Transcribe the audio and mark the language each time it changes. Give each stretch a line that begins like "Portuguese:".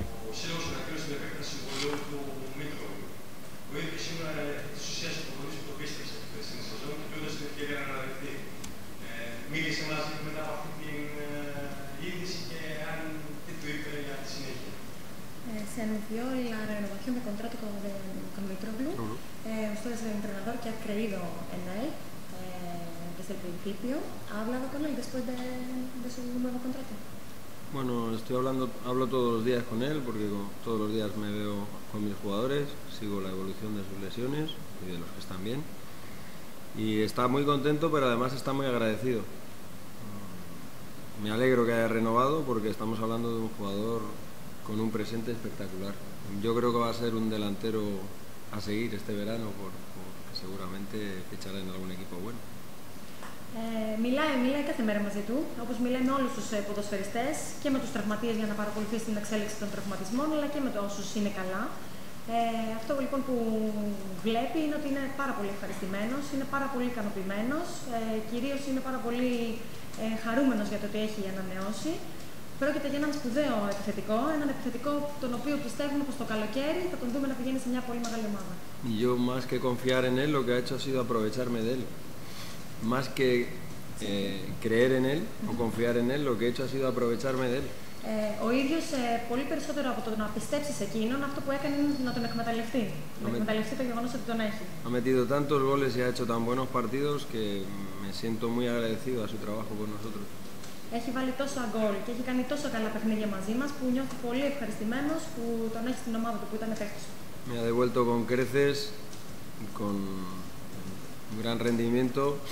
Greek: Ο Σύλλογος ανακοίνωσε την επέκταση συμβολίου του Μίτρου. Ο ίδιος σήμερα τη ουσία τη υποχρέωση που το πίστευσε στην σεζόν και του έδωσε την ευκαιρία να αναδειχθεί. Μίλησε μαζί μετά από αυτή την είδηση και αν τι του είπε για τη συνέχεια.
Spanish: Se anunció la renovación de contrato con Mitroglou. Usted es el entrenador que ha creído en él desde el principio. ¿Ha hablado con él después de su nuevo contrato? Bueno, hablo todos los días con él porque todos los días me veo con mis jugadores, sigo la evolución de sus lesiones y de los que están bien. Y está muy contento, pero además está muy agradecido. Me alegro que haya renovado porque estamos hablando de un jugador con un presente espectacular. Yo creo que va a ser un delantero a seguir este verano porque seguramente fichará en algún equipo bueno.
Greek: Μιλάει κάθε μέρα μαζί του, όπως μιλάει με όλους τους ποδοσφαιριστές και με τους τραυματίες για να παρακολουθήσει την εξέλιξη των τραυματισμών, αλλά και με όσους είναι καλά. Αυτό λοιπόν που βλέπει είναι ότι είναι πάρα πολύ ευχαριστημένος, είναι πάρα πολύ ικανοποιημένος, κυρίως είναι πάρα πολύ χαρούμενος για το ότι έχει ανανεώσει. Πρόκειται για έναν σπουδαίο επιθετικό, έναν επιθετικό τον οποίο πιστεύουμε πως το καλοκαίρι θα τον δούμε να πηγαίνει σε μια πολύ μεγάλη ομάδα.
Spanish: Yo más que confiar en él, lo que ha hecho ha sido aprovecharme de él. Más que creer en él o confiar en él, lo que he hecho ha sido aprovecharme de él.
Greek: Ο ίδιος, πολύ περισσότερο από το να πιστέψει σε εκείνον, αυτό που έκανε είναι να τον εκμεταλλευτεί. Να εκμεταλλευτεί το γεγονός ότι τον έχει.
Spanish: Ha metido tantos goles y ha hecho tan buenos partidos que me siento muy agradecido a su trabajo con nosotros.
Greek: Έχει βάλει τόσο γκολ και έχει κάνει τόσο καλά παιχνίδια μαζί μας που νιώθω πολύ ευχαριστημένος που τον έχει στην ομάδα του, που ήταν παίκτης.
Spanish: Me ha devuelto con creces, con un gran rendimiento.